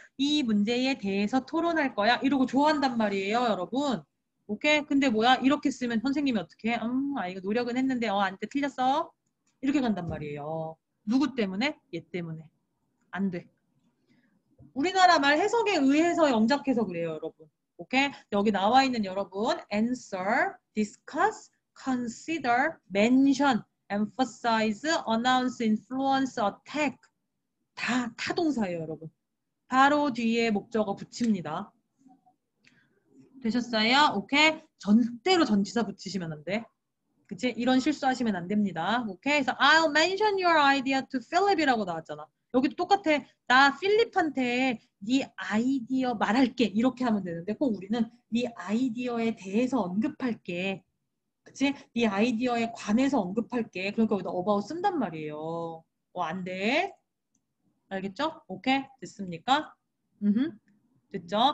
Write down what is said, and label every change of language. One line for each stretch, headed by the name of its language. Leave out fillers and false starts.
Korean: 이 문제에 대해서 토론할 거야. 이러고 좋아한단 말이에요, 여러분. 오케이? 근데 뭐야? 이렇게 쓰면 선생님이 어떻게 해? 아이가 노력은 했는데, 안돼. 틀렸어. 이렇게 간단 말이에요. 누구 때문에? 얘 때문에. 안 돼. 우리나라 말 해석에 의해서 영작해서 그래요, 여러분. 오케이? 여기 나와 있는 여러분,
English: answer, discuss, consider, mention, emphasize, announce, influence, attack.
Korean: 다 타동사예요, 여러분. 바로 뒤에 목적어 붙입니다. 되셨어요? 오케이? 절대로 전치사 붙이시면 안 돼. 그치? 이런 실수하시면 안 됩니다. 오케이? 그래서
English: I'll mention your idea to Philip이라고
Korean: 나왔잖아. 여기도 똑같아. 나 필립한테 네 아이디어 말할게. 이렇게 하면 되는데 꼭 우리는 네 아이디어에 대해서 언급할게. 그치? 네 아이디어에 관해서 언급할게. 그러니까 여기다 about 쓴단 말이에요. 안 돼. 알겠죠? 오케이? 됐습니까? 으흠. 됐죠?